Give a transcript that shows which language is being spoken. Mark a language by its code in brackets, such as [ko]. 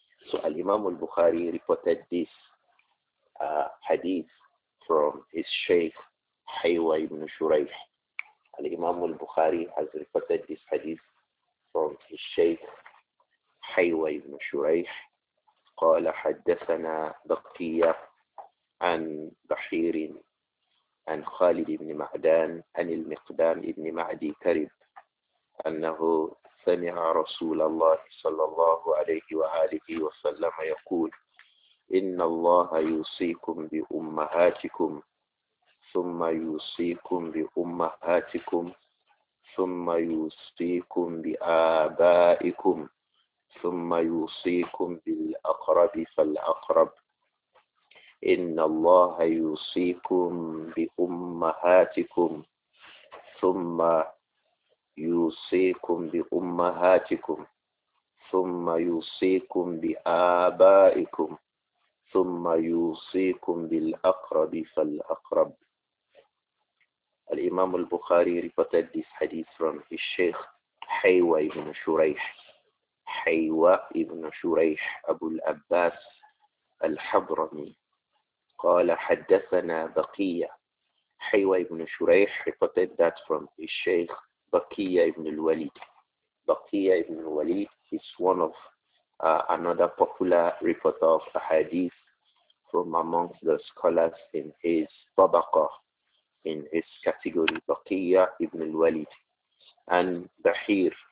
[en] So Al-Imam al-Bukhari reported this hadith from his Shaykh Haywa ibn Shuraih. Al-Imam al-Bukhari has reported this hadith from his Shaykh Haywa ibn Shuraih. [ar] قال حدثنا بقية عن بحير عن خالد بن معدان عن المقدام بن معدي كرب أنه سمع رسول الله صلى الله عليه وآله وسلم يقول إن الله يوصيكم بأمهاتكم ثم يوصيكم بأمهاتكم ثم يوصيكم بآبائكم ثم يوصيكم بالأقرب فالأقرب إن الله يوصيكم بأمهاتكم ثم يوصيكم بأمهاتكم ثم يوصيكم بآبائكم ثم يوصيكم بالأقرب فالأقرب. [en] الإمام البخاري reported this hadith from his Sheikh Haywa ibn Shuraih. [ar] حيوى ابن شريح أبو الأباس الحضرمي قال حدثنا بقية. [en] حيوى ابن شريح reported that from his Sheikh بقية ابن الوليد. بقية ابن الوليد is one of another popular reporter of a hadith from amongst the scholars in his طبقة, in his category. بقية ابن الوليد and بحير.